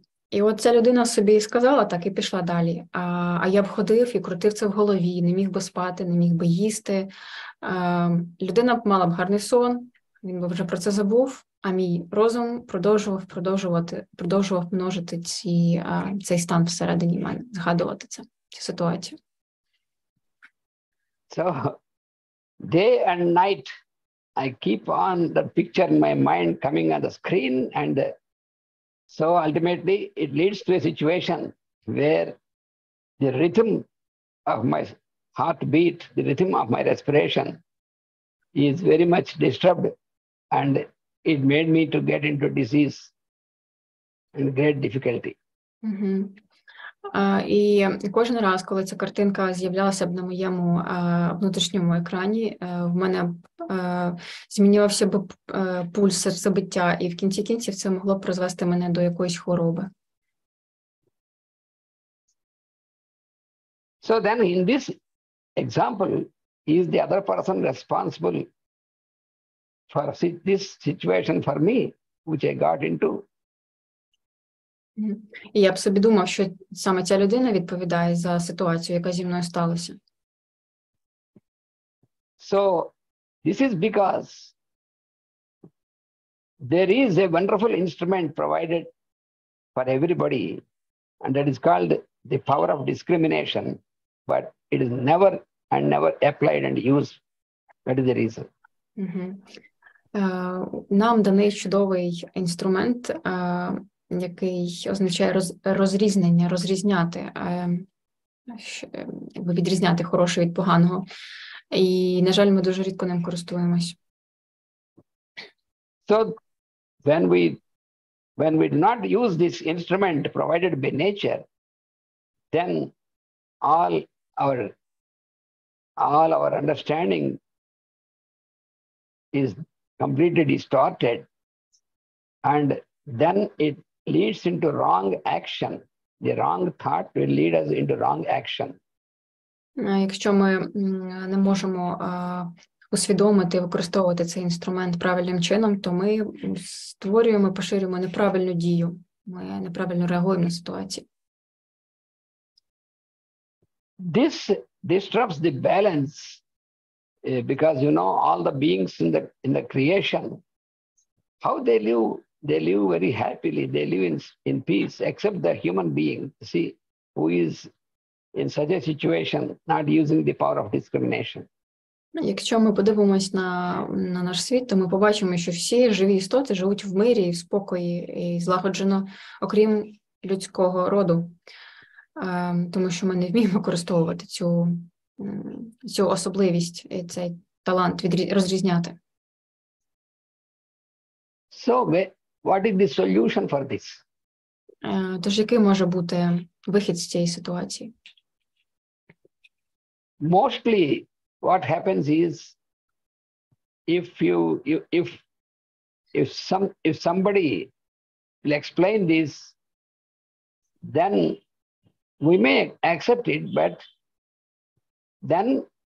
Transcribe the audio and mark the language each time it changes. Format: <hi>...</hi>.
<uk>І от ця людина собі сказала так і пішла далі. А я б ходив і крутив це в голові, не міг би спати, не міг би їсти. Людина б мала б гарний сон, він би вже про це забув, а мій розум продовжував множити цей стан всередині мене, згадувати це, цю ситуацію.</uk> <en>So, day and night, I keep on the picture in my mind coming on the screen, and so ultimately it leads to a situation where the rhythm of my heartbeat, the rhythm of my respiration is very much disturbed, and it made me to get into disease and great difficulty. Mm-hmm.</en> <uk>І кожен раз, коли ця картинка з'являлася б на моєму внутрішньому екрані, в мене змінювався б пульс серцебиття, і в кінці кінців це могло б призвести мене до якоїсь хвороби.</uk> <en>So then in this example, is the other person responsible for this situation for me, which I got into?</en> <uk>І я б собі думав, що саме ця людина відповідає за ситуацію, яка зі мною сталася.</uk> <en>So, this is because there is a wonderful instrument provided for everybody, and that is called the power of discrimination, but it is never applied and used. That is the reason.</en> <uk>Нам даний чудовий інструмент, який означає розрізнення, розрізняти, щоб відрізняти хороше від поганого. І, на жаль, ми дуже рідко ним користуємось.</uk> <en>So, when we do not use this instrument provided by nature, then all our understanding is completely distorted, and then it leads into wrong action. The wrong thought will lead us into wrong action.</en> <uk>Якщо ми не можемо усвідомити, використовувати цей інструмент правильним чином, то ми створюємо, поширюємо неправильну дію. Ми неправильно реагуємо на ситуацію.</uk> <en>This disturbs the balance, because you know all the beings in the creation, how they live they live very happily, they live in peace, except the human being, see, who is in such a situation, not using the power of discrimination.</en> <uk>Якщо ми подивимось на наш світ, то ми побачимо, що всі живі істоти живуть в мирі, в спокої і злагоджено, окрім людського роду, тому що ми не вміємо користовувати цю особливість і цей талант розрізняти.</uk> <en>So, what is the solution for this?</en> <uk>Тож, який може бути вихід з цієї ситуації?</uk> <en>Mostly, what happens is, if somebody will explain this, then we may accept it, but then</en>